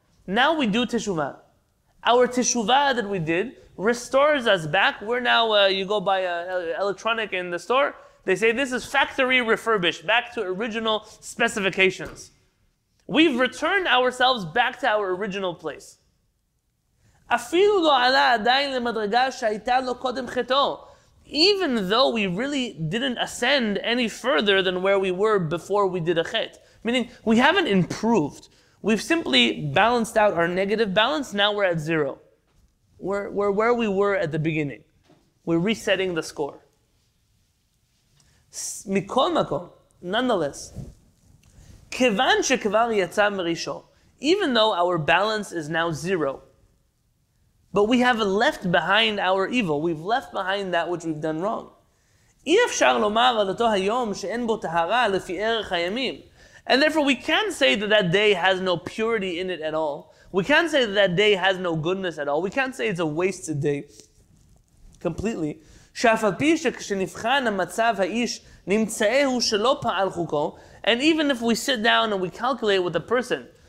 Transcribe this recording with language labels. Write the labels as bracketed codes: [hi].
[en] Now we do teshuvah. Our teshuvah that we did restores us back. We're now, you go buy an electronic in the store, they say this is factory refurbished, back to original specifications. We've returned ourselves back to our original place. [he] אפילו לא עלה עדיין למדרגה שהייתה לו קודם חטאו. [en] Even though we really didn't ascend any further than where we were before we did a chet. Meaning, we haven't improved. We've simply balanced out our negative balance, now we're at zero. We're where we were at the beginning. We're resetting the score. [he] מכל מקום, [en] nonetheless, [he] כיוון שכבר יצא מראשו, [en] even though our balance is now zero, but we have left behind our evil. We've left behind that which we've done wrong. [he] אי אפשר לומר על אותו היום שאין בו טהרה לפי ערך הימים. [en] And therefore we can't say that that day has no purity in it at all. We can't say that that day has no goodness at all. We can't say it's a wasted day completely. [he] שאף על פי שכשנבחן המצב האיש נמצאהו שלא פעל חוקו. [en] And even if we sit down and we calculate with the person,